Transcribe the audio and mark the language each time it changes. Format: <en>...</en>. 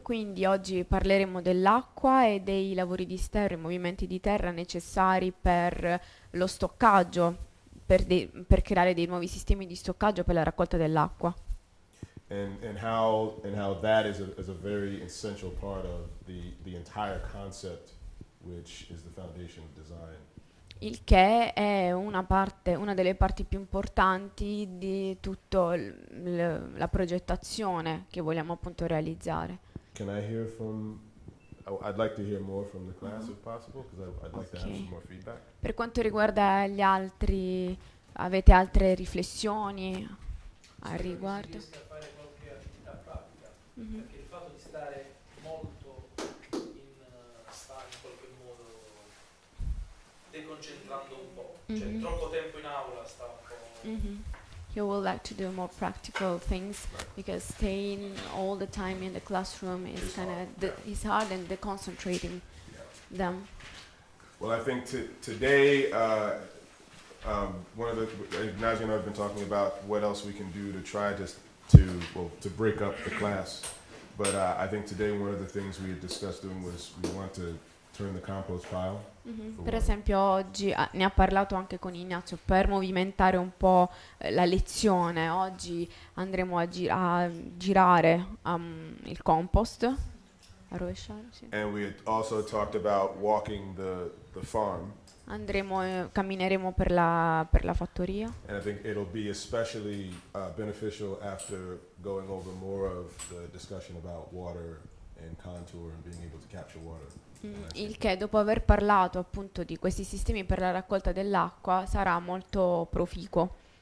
<it>Quindi oggi parleremo dell'acqua e dei lavori di sterra, i movimenti di terra necessari per lo stoccaggio, per creare dei nuovi sistemi di stoccaggio per la raccolta dell'acqua.</it> <en>And how that is a very essential part of the entire concept, which is the foundation of design.</en> <it>Il che è una delle parti più importanti di tutto la progettazione che vogliamo appunto realizzare.</it> <en>Can I hear from? I'd like to hear more from the class, mm-hmm. if possible, because I'd like to have some more feedback.</en> <it>Per quanto riguarda gli altri, avete altre riflessioni al riguardo? Mm-hmm. Perché il fatto di stare molto in qualche modo deconcentrando un po', mm-hmm. cioè troppo tempo in aula sta un po'. Mm-hmm.</it> <en>You would like to do more practical things, because staying all the time in the classroom is kind of is hard and deconcentrating them. Well, I think today, one of the Nazia and I have been talking about what else we can do to try to break up the class. But I think today one of the things we had discussed doing was we want to turn the compost pile. Mm-hmm.</en> <it>Per esempio oggi ne ha parlato anche con Ignazio per movimentare un po' la lezione. Oggi andremo a girare il compost, a rovesciare. Sì.</it> <en>And we had also talked about walking the farm.</en> <it>Cammineremo per la fattoria.</it> <en>And I think it'll be especially beneficial after going over more of the discussion about water and contour and being able to capture water.</en> <it>Il che, dopo aver parlato appunto di questi sistemi per la raccolta dell'acqua, sarà molto proficuo.</it>